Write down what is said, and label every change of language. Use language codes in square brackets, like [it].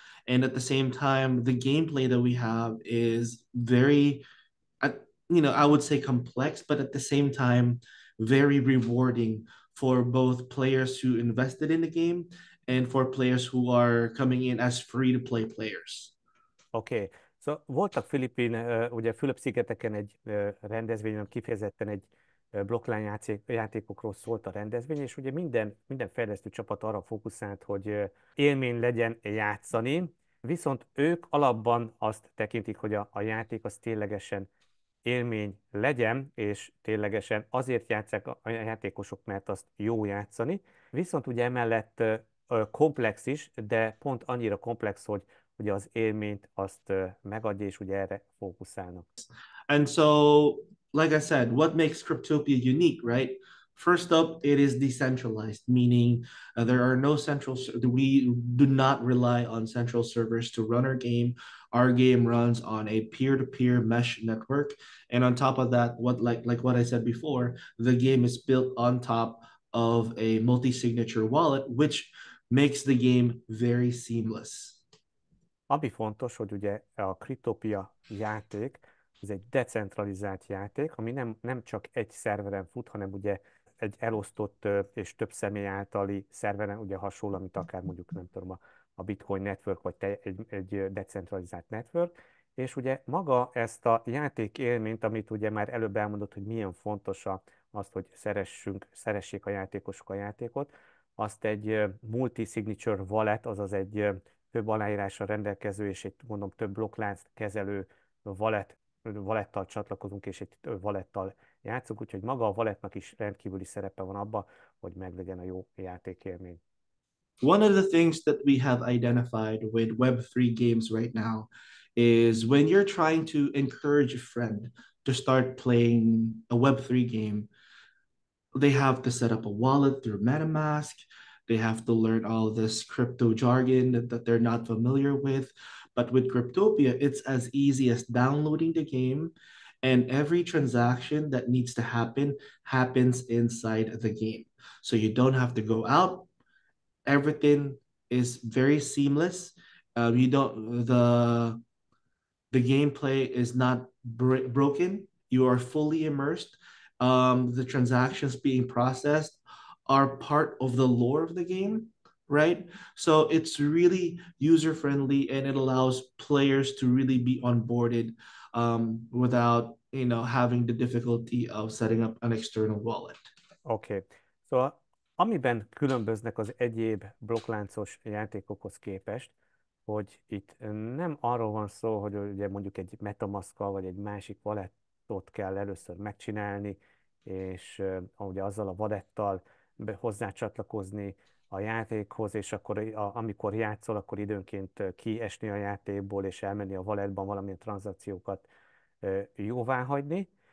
[en] And at the same time, the gameplay that we have is very, you know, I would say complex, but at the same time, very rewarding for both players who invested in the game and for players who are coming in as free-to-play players. Okay, so [hu] voltak Filipin, ugye Fülöp-szigeteken egy rendezvényen, kifejezetten egy blokklány játékokról szólt a rendezvény, és ugye minden fejlesztő csapat arra fókuszált, hogy élmény legyen játszani, viszont ők alapban azt tekintik, hogy a játék az ténylegesen élmény legyen, és ténylegesen azért játszák a játékosok, mert azt jó játszani. Viszont ugye emellett komplex is, de pont annyira komplex, hogy ugye az élményt azt megadja, és ugye erre fókuszálnak. [en] And so, like I said, what makes Cryptopia unique, right? First up, it is decentralized, meaning there are no central, we do not rely on central servers to run our game. Our game runs on a peer-to-peer mesh network. And on top of that, what I said before, the game is built on top of a multi-signature wallet, which makes the game very seamless. [hu] Ami fontos, hogy ugye a Cryptopia játék, ez egy decentralizált játék, ami nem csak egy szerveren fut, hanem ugye egy elosztott és több személy általi szerveren, ugye hasonló, mint akár mondjuk, nem tudom, a Bitcoin network, vagy egy decentralizált network, és ugye maga ezt a játék élményt, amit ugye már előbb elmondott, hogy milyen fontos azt, hogy szeressék a játékosok a játékot, azt egy multi-signature wallet, azaz egy több aláírásra rendelkező, és egy mondom több blokklánc kezelő valettal csatlakozunk, és egy valettal játszunk, úgyhogy maga a valettnak is rendkívüli szerepe van abban, hogy meglegyen a jó játékélmény. [en] One of the things that we have identified with Web3 games right now is when you're trying to encourage a friend to start playing a Web3 game, they have to set up a wallet through MetaMask, they have to learn all this crypto jargon that they're not familiar with. But with Cryptopia, it's as easy as downloading the game, and every transaction that needs to happen happens inside the game. So you don't have to go out, Everything is very seamless. You don't the gameplay is not broken. You are fully immersed. The transactions being processed are part of the lore of the game, right? So it's really user-friendly, and it allows players to really be onboarded without, you know, having the difficulty of setting up an external wallet. Okay. [hu] So amiben különböznek az egyéb blokkláncos játékokhoz képest, hogy itt nem arról van szó, hogy ugye mondjuk egy metamaszkkal vagy egy másik valettot kell először megcsinálni, és ugye azzal a valettal hozzácsatlakozni a játékhoz, és akkor amikor játszol, akkor időnként kiesni a játékból, és elmenni a valetban valamilyen tranzakciókat jóvá hagyni.